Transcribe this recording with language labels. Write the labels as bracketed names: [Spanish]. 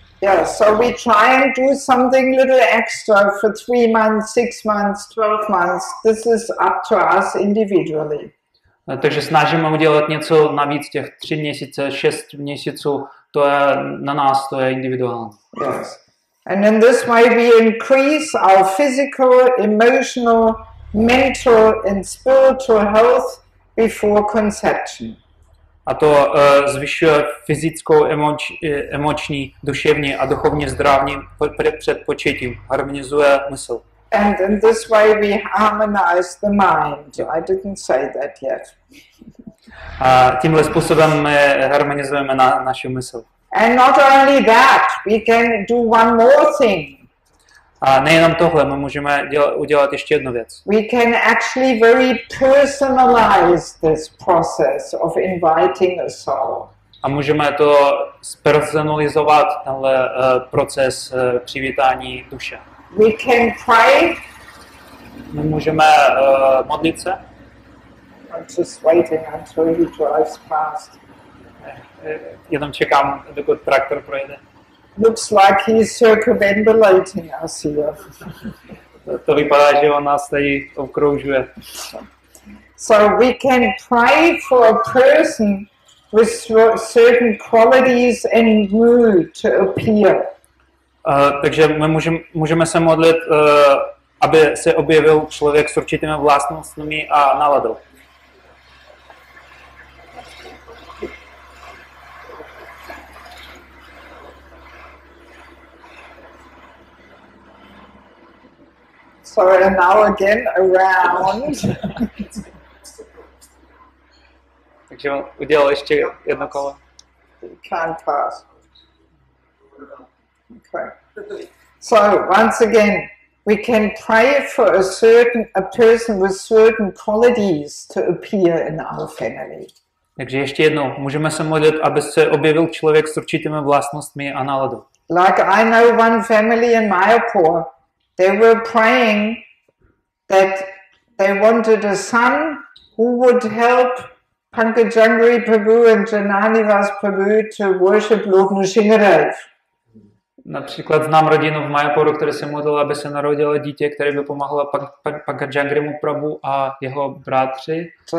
[English] Yeah, so we try and do something little extra for 3 months, 6 months, 12 months. This is up to us individually. [Czech] Takže snažíme udělat něco navíc těch 3 měsíce, 6 měsíců. To je na nás, to je individuální. [English] Yes. And in this way we increase our physical, emotional, mental and spiritual health before conception. [Czech] A to zvyšuje fyzickou, emoční, duševní a duchovně zdravní před početím, harmonizuje mysl. [English] And in this way we harmonize the mind. I didn't say that yet. [Czech] A tímhle způsobem my harmonizujeme naši mysl. [English] And not only that, we can do one more thing. [Czech] A nejenom tohle, my můžeme udělat ještě jednu věc. [English] We can actually very personalize this process of inviting a soul. [Czech] A můžeme to spersonalizovat, tenhle proces přivítání duše. [English] We can pray. [Czech] My můžeme modlit se. [English] I'm just waiting until he drives past. [Czech] Jenom čekám, dokud traktor projede. [English] Looks like he's circumambulating us here. [Czech] To vypadá, že on nás tady obkroužuje. [English] So we can pray for a person with certain qualities and mood to appear. [Czech] Takže my můžeme se modlit, aby se objevil člověk s určitými vlastnostmi a náladou. [English] So and now again around. [Czech] Takže udělal ještě jedno kolo. [English] Can't pass. Okay. So once again, we can pray for a person with certain qualities to appear in our family. [Czech] Takže ještě jednou, můžeme se modlit, aby se objevil člověk s určitými vlastnostmi a náladou. [English] Like I know one family in Mayapur. They were praying that they wanted a son who would help Pankajangri Prabhu and Jananivas Prabhu to worship Lord Nrsimhadev. [Czech] Například znám rodinu v Mayapuru, která se modlila, aby se narodilo dítě, které by pomohlo Pankajangrimu Prabhu a jeho bratři.